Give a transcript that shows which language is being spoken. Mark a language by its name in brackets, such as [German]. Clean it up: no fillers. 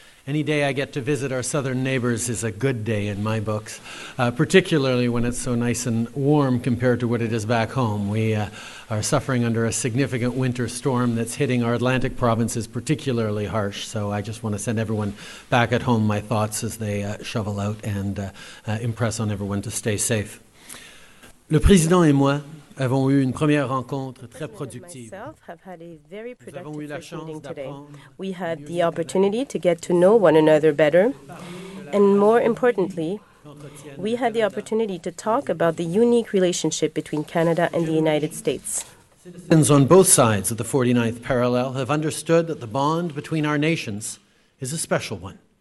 [English] Any day I get to visit our southern neighbors is a good day in my books, particularly when it's so nice and warm compared to what it is back home. We are suffering under a significant winter storm that's hitting our Atlantic provinces particularly harsh, so I just want to send everyone back at home my thoughts as they shovel out and impress on everyone to stay safe. [French] Le président et moi avons eu une première rencontre très productive. [English] Myself have had a very productive meeting today. We had the opportunity to get to know one another better, and more importantly, we had the opportunity to talk about the unique relationship between Canada and the United States. Citizens on both sides of the 49th parallel have understood that the bond between our nations is a special one.